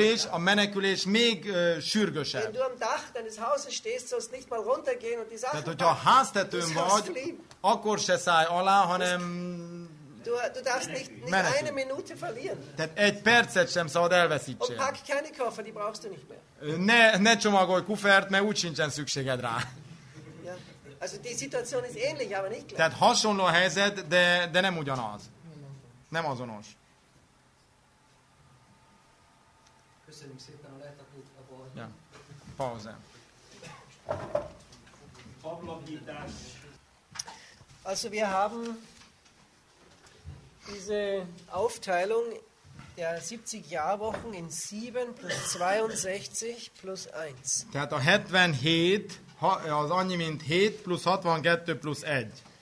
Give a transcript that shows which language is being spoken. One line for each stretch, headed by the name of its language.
Hungarian: A menekülés még sürgősebb.
German: Wenn du am Dach deines Hauses stehst, sollst nicht mal runtergehen und die Sache.
Hungarian: Tehát, hogyha a háztetőn vagy, akkor se szállj alá, hanem
German: Du darfst nicht eine Minute verlieren.
Hungarian: Tehát egy percet sem szabad elveszítsen.
German: Und pack keine Koffer, die brauchst du nicht mehr.
Hungarian: Ne csomagolj kufert, mert úgy sincsen szükséged rá.
German: Ja. Also die Situation ist ähnlich, aber nicht gleich.
Hungarian: Tehát hasonló a helyzet, de nem ugyanaz. Nem azonos. Köszönöm szépen a lehetetlenül a bolt. Ja. Pauze. Pablogítás.
German: Also wir haben diese Aufteilung der 70 Jahrwochen in 7 plus 62 plus 1.
Hungarian: Tehát a 77 az annyi, mint 7 plus 62 plus 1.